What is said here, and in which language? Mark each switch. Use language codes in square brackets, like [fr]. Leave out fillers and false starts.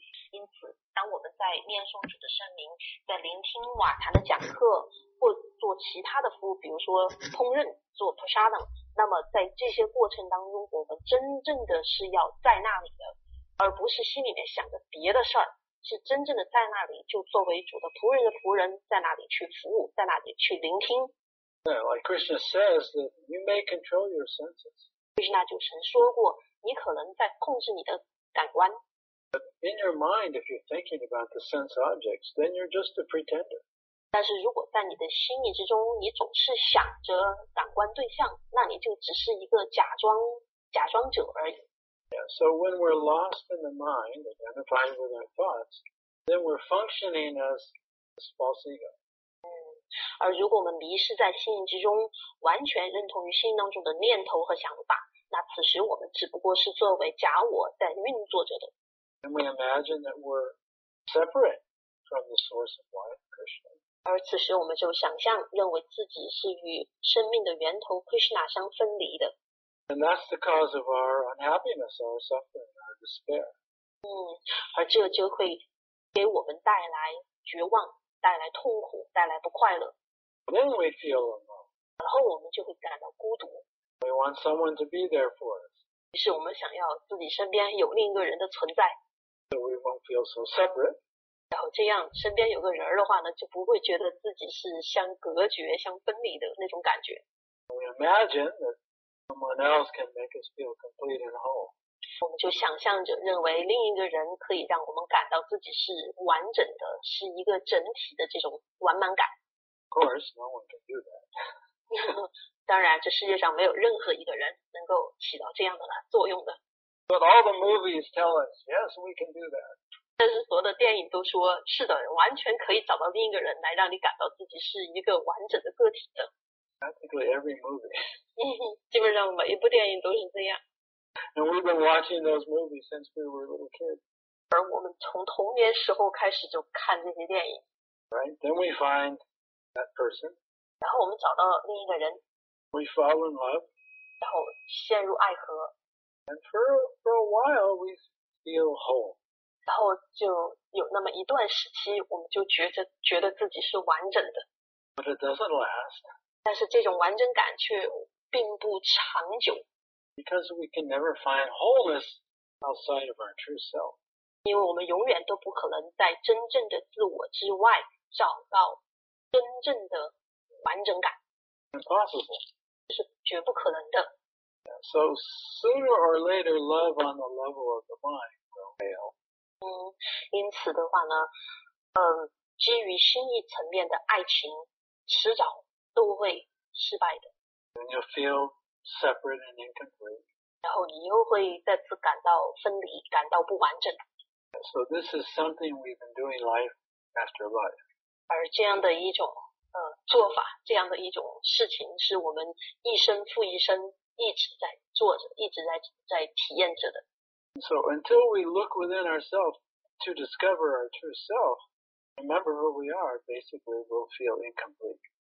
[zh] 因此，当我们在念诵主的圣名，在聆听瓦坛的讲课，或做其他的服务，比如说烹饪、做 prasadam， 那么在这些过程当中，我们真正的是要在那里的，而不是心里面想着别的事儿，是真正的在那里，就作为主的仆人的仆人，在那里去服务，在那里去聆听。 [en] Yeah, like Krishna says that you may control your senses. [zh] Krishna 就曾说过，你可能在控制你的。 [en] But in your mind, if you're thinking about the sense objects, then you're just a pretender. [zh] 但是如果在你的心意之中，你总是想着感官对象，那你就只是一个假装者而已。 [en] Yeah. So when we're lost in the mind, identifying with our thoughts, then we're functioning as this false ego. [zh] 而如果我们迷失在心意之中，完全认同于心意当中的念头和想法。那此时我们只不过是作为假我在运作着的。 [en] And we imagine that we're separate from the source of life, Krishna. [zh] 而此时我们就想象，认为自己是与生命的源头 Krishna 相分离的。 [en] And that's the cause of our unhappiness, our suffering, our despair. [zh] 而这就会给我们带来绝望，带来痛苦，带来不快乐。 [en] Then we feel alone. [zh] 然后我们就会感到孤独。 [en] We want someone to be there for us. [zh] 于是我们想要自己身边有另一个人的存在。 [en] So we won't feel so separate. [zh] 然后这样身边有个人的话呢，就不会觉得自己是相隔绝、相分离的那种感觉。 [en] We imagine that someone else can make us feel complete and whole. [zh] 我们就想象着认为另一个人可以让我们感到自己是完整的，是一个整体的这种完满感。 [en] Of course, no one can do that. [zh] 当然，这世界上没有任何一个人能够起到这样的作用的。 [en] But all the movies tell us, yes, we can do that. [zh] 但是所有的电影都说，是的，完全可以找到另一个人来让你感到自己是一个完整的个体的。 [en] Practically every movie. [zh] 基本上每一部电影都是这样。 [en] And we've been watching those movies since we were little kids. [zh] 而我们从童年时候开始就看这些电影。 [en] Right, then we find that person. [zh] 然后我们找到另一个人。 [en] We fall in love. [zh] 然后陷入爱河。 [en] And for a while, we feel whole. [zh] 然后就有那么一段时期，我们就觉得自己是完整的。 [en] But it doesn't last. [zh] 但是这种完整感却并不长久。 [en] Because we can never find wholeness outside of our true self. [zh] 因为我们永远都不可能在真正的自我之外找到真正的完整感。 [en] Impossible. [zh] 是绝不可能的。 [en] Yeah, so sooner or later, love on the level of the mind will fail. [zh] 因此的话呢，基于心意层面的爱情，迟早都会失败的。 [en] And you'll feel separate and incomplete. [zh] 然后你又会再次感到分离，感到不完整。 [en] So this is something we've been doing life after life. [zh] 而这样的一种。做法这样的一种事情是我们一生复一生一直在做着一直在体验着的。 [en] So until we look within ourselves to discover our true self, remember who we are, basically we'll feel incomplete.